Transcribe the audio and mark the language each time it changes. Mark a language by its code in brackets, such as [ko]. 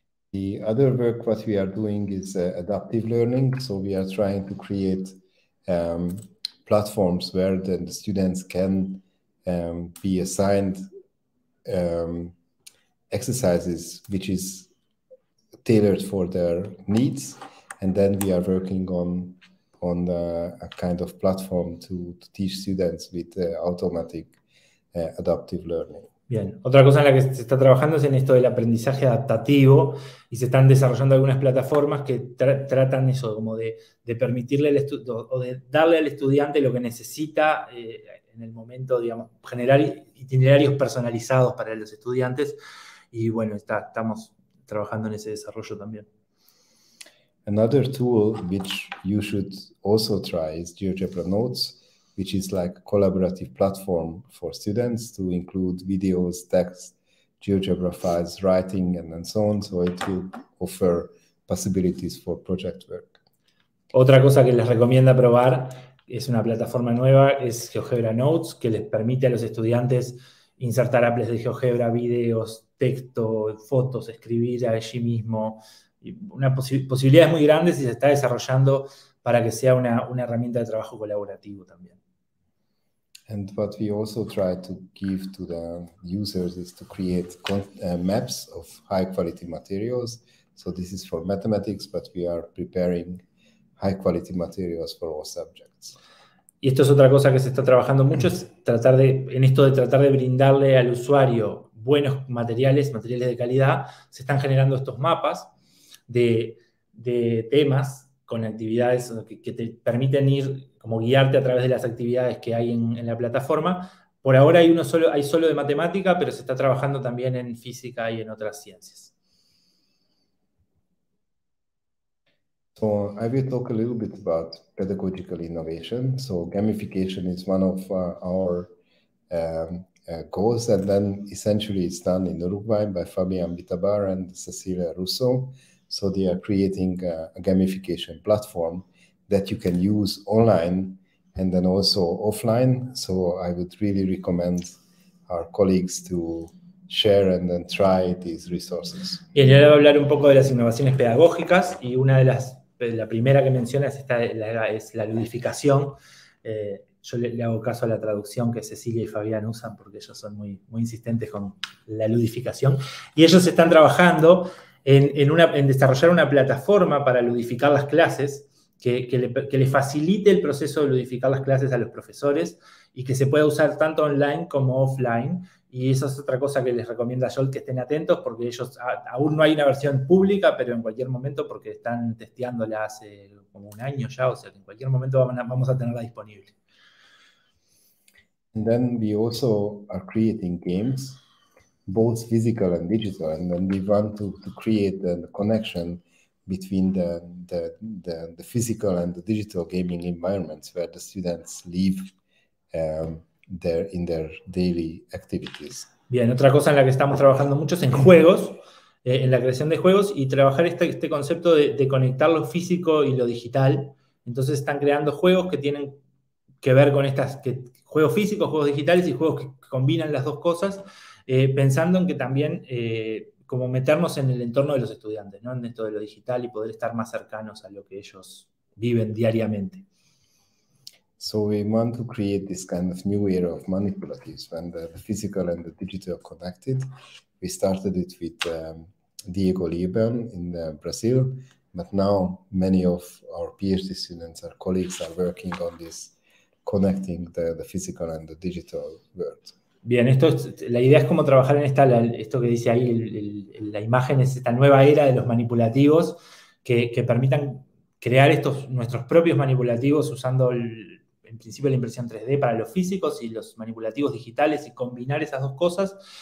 [en] The other work what we are doing is adaptive learning, so we are trying to create platforms where the students can be assigned exercises which is tailored for their needs. And then we are working on a kind of platform to teach students with automatic adaptive learning. [es] Bien, otra cosa en la que se está trabajando es en esto del aprendizaje adaptativo, y se están desarrollando algunas plataformas que tratan eso, como de permitirle al o de darle al estudiante lo que necesita en el momento, digamos, generar itinerarios personalizados para los estudiantes. Y bueno, estamos trabajando en ese desarrollo también. [en] Another tool which you should also try is GeoGebra Notes, which is like a collaborative platform for students to include videos, texts, GeoGebra files, writing, and so on. So it will offer possibilities for project work. [es] Otra cosa que les recomiendo probar es una plataforma nueva, es GeoGebra Notes, que les permite a los estudiantes insertar apps de GeoGebra, videos, texto, fotos, escribir allí mismo. Una posibilidades muy grandes, y se está desarrollando para que sea una herramienta de trabajo colaborativo también. [en] And what we also try to give to the users is to create maps of high quality materials. So this is for mathematics, but we are preparing high quality materials for all subjects. [es] Y esto es otra cosa que se está trabajando mucho, es tratar de, en esto de tratar de brindarle al usuario buenos materiales, materiales de calidad. Se están generando estos mapas de temas con actividades que te permiten ir, como guiarte a través de las actividades que hay en la plataforma. Por ahora hay solo de matemática, pero se está trabajando también en física y en otras ciencias. [en] So I will talk a little bit about pedagogical innovation. So gamification is one of our goals, and then essentially it's done in Uruguay by Fabian Bitabar and Cecilia Russo. So they are creating a gamification platform that you can use online and then also offline. So I would really recommend our colleagues to share and then try these resources. [es] Bien, ya voy a hablar un poco de las innovaciones pedagógicas, y una de las, la primera que mencionas es la ludificación. Yo le hago caso a la traducción que Cecilia y Fabián usan, porque ellos son muy, muy insistentes con la ludificación. Y ellos están trabajando en desarrollar una plataforma para ludificar las clases que le facilite el proceso de ludificar las clases a los profesores, y que se pueda usar tanto online como offline. Y esa es otra cosa que les recomiendo a Jolt, que estén atentos, porque ellos aún no hay una versión pública, pero en cualquier momento, porque están testeándola hace como un año ya, o sea que en cualquier momento vamos a tenerla disponible. [en] And then we also are creating games, both physical and digital, and then we want to create a connection between the physical and the digital gaming environments where the students live in their daily activities. [es] Bien, otra cosa en la que estamos trabajando mucho es en juegos, en la creación de juegos, y trabajar este concepto de conectar lo físico y lo digital. Entonces están creando juegos que tienen que ver con juegos físicos, juegos digitales y juegos que combinan las dos cosas, pensando en que también como meternos en el entorno de los estudiantes, ¿no? En esto de lo digital, y poder estar más cercanos a lo que ellos viven diariamente. [en] So we want to create this kind of new era of manipulatives when the physical and the digital are connected. We started it with Diego Lieben in Brazil, but now many of our PhD students, our colleagues, are working on this, connecting the physical and the digital world. [es] Bien, la idea es cómo trabajar en esto que dice ahí, la imagen es esta nueva era de los manipulativos que permitan crear nuestros propios manipulativos usando en principio la impresión 3D para los físicos y los manipulativos digitales, y combinar esas dos cosas.